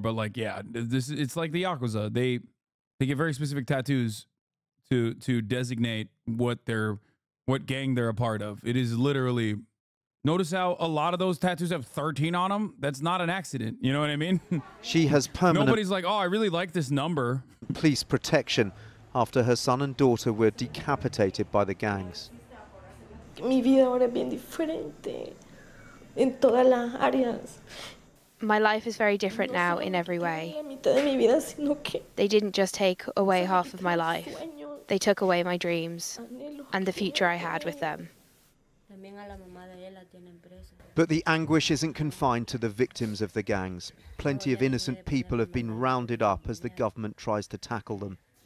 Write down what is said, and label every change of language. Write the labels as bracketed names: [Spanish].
[English] But, like, yeah, this it's like the Yakuza. They get very specific tattoos to designate what gang they're a part of. It is literally, notice how a lot of those tattoos have 13 on them? That's not an accident. You know what I mean? She has permanent... Nobody's like, oh, I really like this number. Police protection after her son and daughter were decapitated by the gangs. [Spanish] Mi vida ahora es bien diferente en todas las áreas. [English] My life is very different now in every way. They didn't just take away half of my life. They took away my dreams and the future I had with them. But the anguish isn't confined to the victims of the gangs. Plenty of innocent people have been rounded up as the government tries to tackle them.